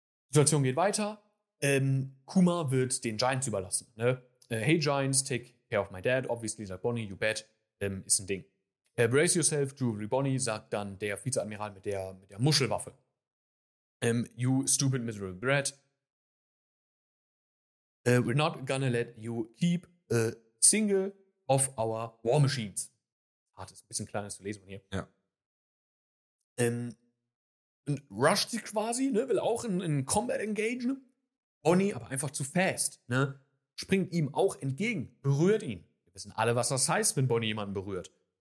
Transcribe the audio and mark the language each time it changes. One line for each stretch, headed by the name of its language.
German: Situation geht weiter. Kuma wird den Giants überlassen. Ne?
English: Hey Giants, take care of my dad. Obviously,
German: sagt
English: Bonnie, you bet.
German: Ist ein Ding.
English: Brace yourself,
German: Jewelry Bonnie, sagt dann der Vizeadmiral mit der Muschelwaffe.
English: You stupid, miserable brat. We're not gonna let you keep a single of our war machines.
German: Hart ist ein bisschen kleines zu lesen von hier. Ja. Rusht sie quasi, ne, will auch in Combat engagen. Bonnie aber einfach zu fast, ne, springt ihm auch entgegen, berührt ihn. Wir wissen alle, was das heißt, wenn Bonnie jemanden berührt.